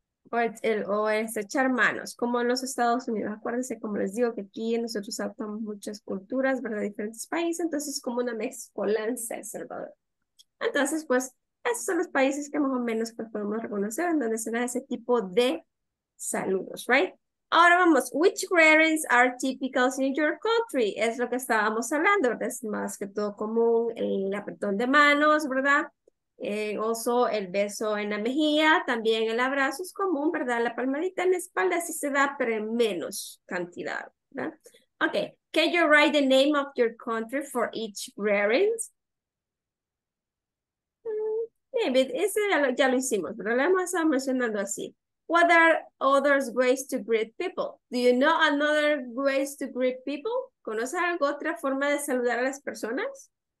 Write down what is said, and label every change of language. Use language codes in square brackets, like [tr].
[es] O el echar manos, como en los Estados Unidos. Acuérdense, como les digo, que aquí nosotros adoptamos muchas culturas, ¿verdad? Diferentes países. Entonces, es como una mezcolanza, El Salvador. Entonces, pues, esos son los países que más o menos pues, podemos reconocer en donde se da ese tipo de saludos, right? Ahora vamos, [en] which greetings are typical in your country? [es] Es lo que estábamos hablando, ¿verdad? Es más que todo común el apretón de manos, ¿verdad? Also el beso en la mejilla, también el abrazo es común, ¿verdad? La palmadita en la espalda sí se da, pero en menos cantidad, ¿verdad? [en] Okay, can you write the name of your country for each greetings? [es] Maybe, ese ya lo hicimos, pero lo hemos estado mencionando así. [en] What are other ways to greet people? Do you know another ways to greet people? [es] ¿Conoces alguna otra forma de saludar a las personas?